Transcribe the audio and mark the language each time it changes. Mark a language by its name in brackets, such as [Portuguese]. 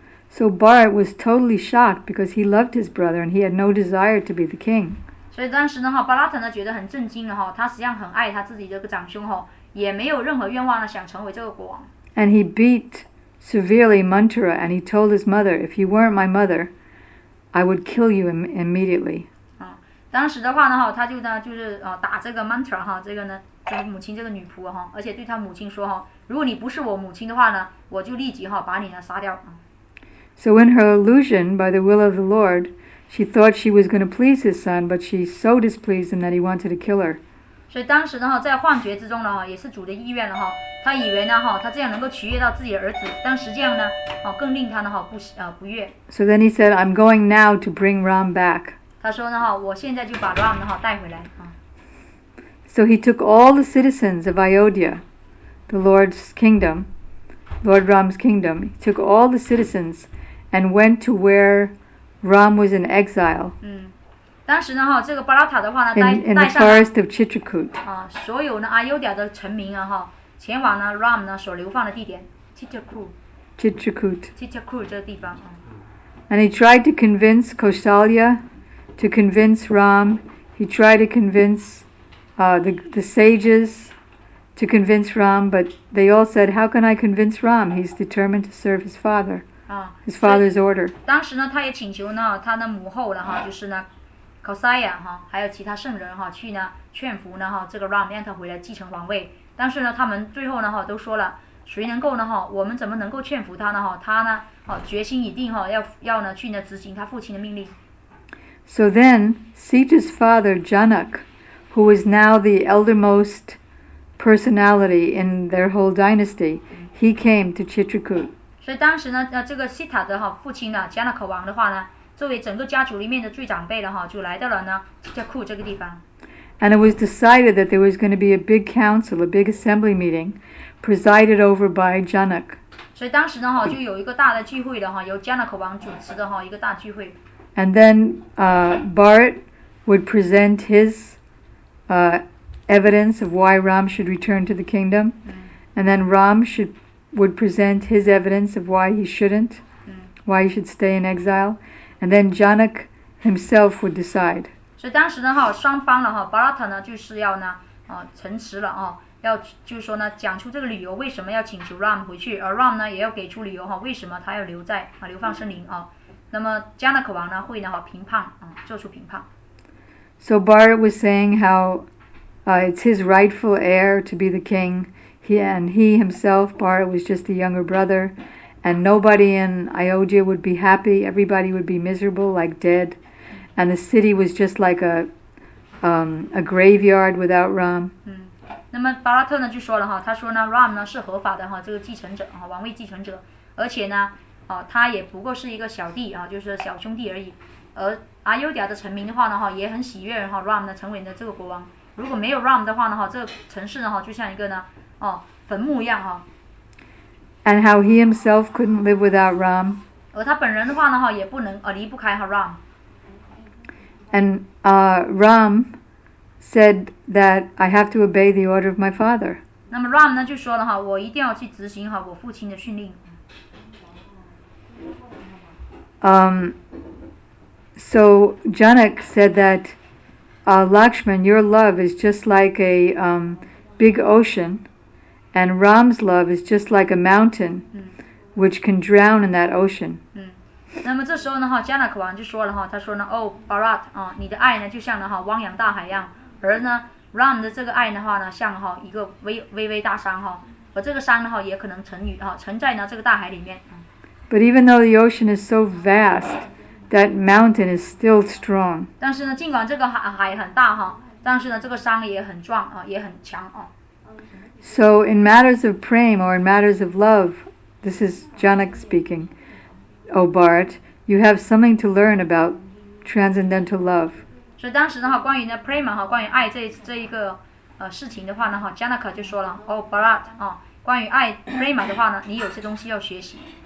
[English] So Bharat was totally shocked because he loved his brother and he had no desire to be the king. [Chinese] 所以当时呢 Bharat 呢觉得很震惊了他实际上很爱他自己这个长兄也没有任何愿望呢想成为这个国王。 [English] And he beatSeverely Mantura, and he told his mother, "If you weren't my mother, I would kill you immediately." [Chinese] 当时的话呢，他就呢就是打这个 Mantura 这个呢，这个母亲这个女仆而且对他母亲说如果你不是我母亲的话呢，我就立即把你杀掉。 [English] So in her illusion, by the will of the Lord, she thought she was going to please his son, but she so displeased him that he wanted to kill her. [Chinese] 所以当时呢，在幻觉之中呢，也是主的意愿了他以为呢他这样能够取悦到自己的儿子，但实际上呢更令他呢不悦。 [English] So then he said, "I'm going now to bring Ram back." [Chinese] 他说呢哈，我现在就把 Ram 呢哈带回来啊。 [English] So he took all the citizens of Ayodhya, the Lord's kingdom, Lord Ram's kingdom, he took all the citizens and went to where Ram was in exile. [Chinese] 嗯，当时呢哈，这个巴拉塔的话呢，带上 [English] in the forest of Chitrakoot. [Chinese] 啊，所有呢阿尤迦的臣民啊哈，前往呢 Ram 呢所流放的地点 Chitrakoot 这个地方。 [English] And he tried to convince Kausalya, to convince Ram. He tried to convince the sages to convince Ram, but they all said, "How can I convince Ram? He's determined to serve his father, his father's order." [Chinese] 当时呢，他也请求呢，他的母后了哈，就是呢 ，Kausalya 哈，还有其他圣人哈，去呢劝服呢哈，这个 Ram 让他回来继承王位。但是呢，他们最后呢哈，都说了。谁能够呢哈？我们怎么能够劝服他呢哈？他呢，哦，决心已定哈，要呢去呢执行他父亲的命令。 [English] So then, Sita's father Janak, who was now the eldermost personality in their whole dynasty, he came to Chitrakoot. [Chinese] 所以当时呢，这个 Sita 的哈父亲呢 ，Janak 王的话呢，作为整个家族里面的最长辈了哈，就来到了呢 Chitrakoot 这个地方。 [English] And it was decided that there was going to be a big council, a big assembly meeting, presided over by Janak. [Chinese] 所以当时呢，哈，就有一个大的聚会的哈，由 Janak 王主持的哈一个大聚会。 [English] And then Bharat would present his evidence of why Ram should return to the kingdom, and then Ram would present his evidence of why he shouldn't, why he should stay in exile, and then Janak himself would decide. [Chinese] 所以当时呢哈，双方了哈，巴拉塔呢就是要呢，陈词了啊，要就是说呢，讲出这个理由为什么要请求 Ram 回去，而 Ram 呢也要给出理由哈，为什么他要留在啊流放森林啊。那么迦纳可王呢会呢哈评判啊，做出评判。 [English] So Bharat was saying how, it's his rightful heir to be the king. He himself, Bharat, was just the younger brother, and nobody in Ayodhya would be happy. Everybody would be miserable, like dead. And the city was just like a graveyard without Ram. [Chinese] 嗯，那么巴拉特呢就说了哈，他说呢 ，Ram 呢是合法的哈，这个继承者哈，王位继承者，而且呢，哦，他也不过是一个小弟啊，就是小兄弟而已。而阿尤迦的臣民的话呢哈，也很喜悦哈 ，Ram 呢成为了这个国王。如果没有 Ram 的话呢哈，这个城市呢哈就像一个呢哦坟墓一样哈。 [English] And how he himself couldn't live without Ram. [Chinese] 而他本人的话呢哈，也不能离不开哈 Ram。 [English] And Ram said that I have to obey the order of my father. [Chinese] 那么 Ram 呢就说了哈，我一定要去执行哈我父亲的训令。 [English] So Janak said that Lakshman, your love is just like a big ocean, and Ram's love is just like a mountain, which can drown in that ocean. [Chinese] 那么这时候呢哈，迦纳可王就说了哈，他说呢，哦 ，Bharat 啊，你的爱呢就像呢哈汪洋大海一样，而呢 Ram 的这个爱的话呢，像哈一个微大山哈，而这个山呢哈也可能沉于哈沉在呢这个大海里面。 [English] But even though the ocean is so vast, that mountain is still strong. [Chinese] 但是呢，尽管这个海很大哈，但是呢这个山也很壮啊，也很强啊。 [English] So in matters of prem or in matters of love, this is Janak speaking. O Bharat, you have something to learn about transcendental love. [Chinese] So, 当时的话，关于呢 prema 哈，关于爱这一个事情的话呢哈 ，Janak 就说了 ，O Bharat 啊，关于爱 prema 的话呢，你有些东西要学习。